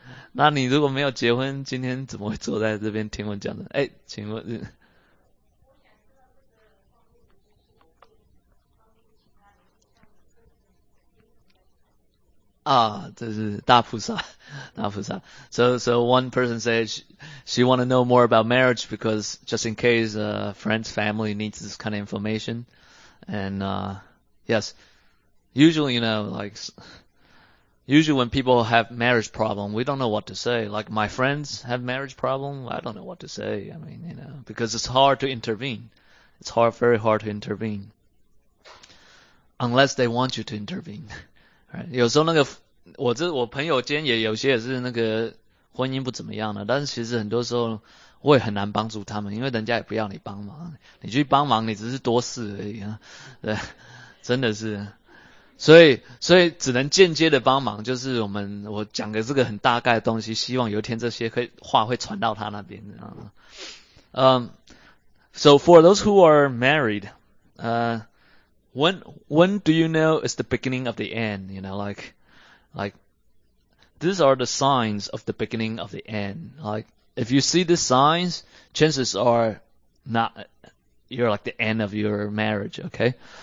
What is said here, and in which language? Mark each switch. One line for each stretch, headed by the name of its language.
Chinese: 那你如果没有结婚，今天怎么会坐在这边听我讲的？哎，请问，啊，这是大菩萨，大菩萨。
English: So one person says she want to know more about marriage because just in case friends family needs this kind of information, and yes. Usually, you know, like, usually when people have marriage problem, we don't know what to say. Like, my friends have marriage problem. I don't know what to say. I mean, you know, because it's hard to intervene. It's hard, very hard to intervene. Unless they want you to intervene. Right?
Chinese: 有时候那个，我朋友间也有些也是那个婚姻不怎么样的，但是其实很多时候我也很难帮助他们，因为人家也不要你帮忙。你去帮忙，你只是多事而已啊。对，真的是。所以只能间接的帮忙，就是我讲的这个很大概的东西，希望有一天这些话会传到他那边。
English: So for those who are married, when do you know it's the beginning of the end? You know, like, these are the signs of the beginning of the end. Like, if you see the signs, chances are not, you're like the end of your marriage, okay?